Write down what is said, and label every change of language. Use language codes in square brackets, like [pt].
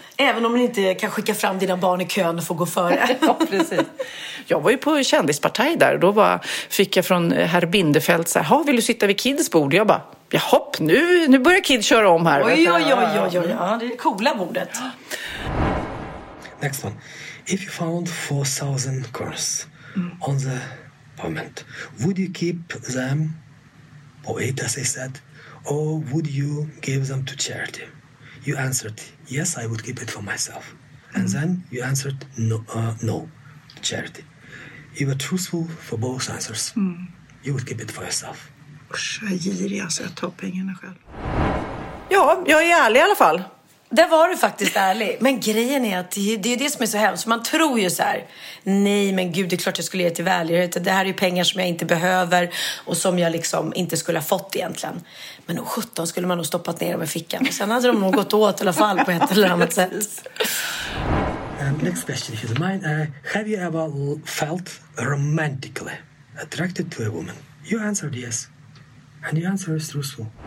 [sv] Även om ni inte kan skicka fram dina barn i kön och få gå före. Ja, precis. Jag var ju på kändispartaj där. Då var, fick jag från herr Bindefeldt så här, vill du sitta vid kids bord? Jag bara, ja, hopp, nu börjar Kid köra om här. Oj, oj, oj, oj, oj, det är coola bordet. [en] Next one. If you found 4,000 coins on the pavement, would you keep them or eat, as I said, or would you give them to charity? You answered, yes, I would keep it for myself. And then you answered, no, to charity. You were truthful for both answers. You would keep it for yourself. [sv] Jag är girig, alltså jag tar pengarna själv. Ja, jag är ärlig i alla fall. Det var du faktiskt ärlig. Men grejen är att det är det som är så hemskt. Man tror ju så här, nej men gud, det är klart jag skulle ge till välgörenhet. Det här är ju pengar som jag inte behöver och som jag liksom inte skulle ha fått egentligen. Men 17 skulle man nog stoppat ner dem i fickan. Och sen hade de nog gått åt i alla fall på ett eller annat sätt. [en] Next question, if you don't mind. Have you ever felt romantically attracted to a woman? You answered yes. And the answer is truthful.